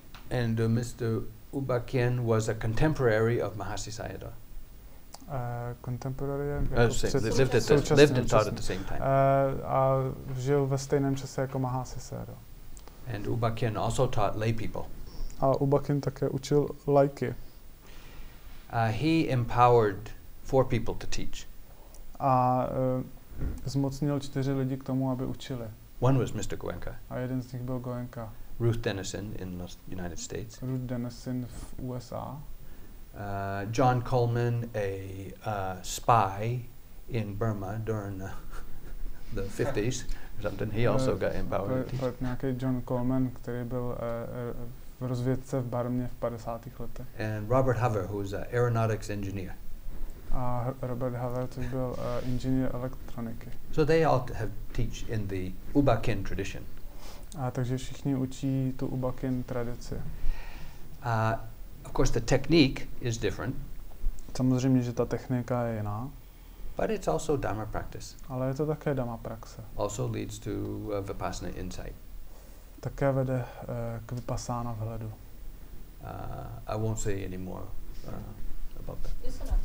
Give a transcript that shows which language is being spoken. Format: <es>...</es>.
<en>And Mr. Ubakin was a contemporary of Mahasi Sayadaw. contemporary, lived and taught at the same time.</en> <cs>A žil ve stejném čase jako Mahasisera.</cs> <en>And Ubakin also taught lay people.</en> <cs>A Ubakin také učil lajky.</cs> <en>He empowered four people to teach.</en> <cs>A zmocnil čtyři lidi k tomu, aby učili.</cs> <en>One was Mr. Goenka.</en> <cs>A jeden z nich byl Goenka.</cs> <en>Ruth Dennison in the United States.</en> <cs>Ruth Dennison v USA.</cs> <en>John Coleman, a spy in Burma during the 50s, something he also got empowered.</en> <cs>Nějaký John Coleman, který byl v rozvědce v Barmě v 50. letech.</cs> <en>And Robert Hover, who is an aeronautics engineer.</en> <cs>A Robert Hover, to byl inženýr elektroniky.</cs> <en>So they all have teach in the Ubakin tradition.</en> <cs>A takže všichni učí tu Ubakin tradici.</cs> <en>Of course, the technique is different.</en> <cs>Samozřejmě, že ta technika je jiná.</cs> <en>But it's also Dhamma practice.</en> <cs>Ale je to také Dhamma praxe.</cs> <en>Also leads to Vipassana insight.</en> <cs>Také vede k Vipassana vhledu.</cs> <en>I won't say any more about that. Yes,</en>